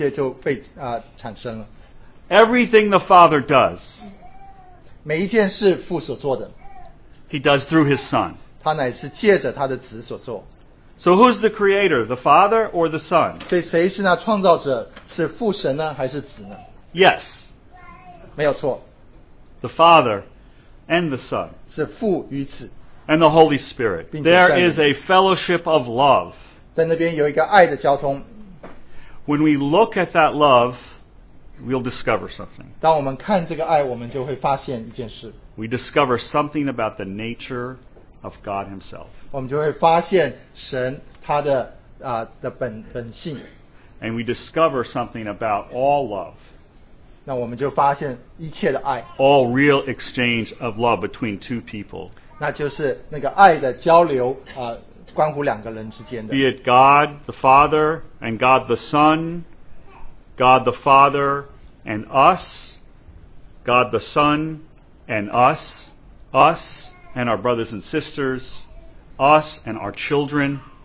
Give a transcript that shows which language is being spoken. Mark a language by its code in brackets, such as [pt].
[zh] 从这个交通里面世界就被产生了。 [en] Everything the Father does, [zh] 每一件事父所做的, [en] he does through his Son. [zh] 他乃是借着他的子所做。 [en] So who's the creator, the Father or the Son? [zh] 所以谁是那创造者, 是父神呢, 还是子呢? [en] Yes. [zh] 没有错, [en] the Father and the Son [zh] 是父与子, [en] and the Holy Spirit. There is a fellowship of love. [zh] 在那边有一个爱的交通, [en] when we look at that love, we'll discover something. [zh] 当我们看这个爱, 我们就会发现一件事, [en] we discover something about the nature of God himself. [zh] 我们就会发现神他的,的本性。 [en] And we discover something about all love. [zh] 那我们就发现一切的爱。 [en] All real exchange of love between two people. [zh] 那就是那个爱的交流，关乎两个人之间的。 [en] Be it God the Father and God the Son, God the Father and us, God the Son and us, us and our brothers and sisters, us and our children.